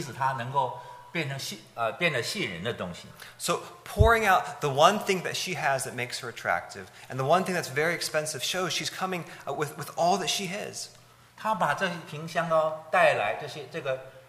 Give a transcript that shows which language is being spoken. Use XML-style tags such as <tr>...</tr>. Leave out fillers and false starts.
<zh>我们看到她带那个玉瓶，那个香膏是非常珍贵，而且那可能也是可以唯一使她能够变成吸引人的东西。</zh> <en>So pouring out the one thing that she has that makes her attractive, and the one thing that's very expensive shows she's coming with all that she has.</en> <zh>她把这瓶香膏带来这些这个。</zh>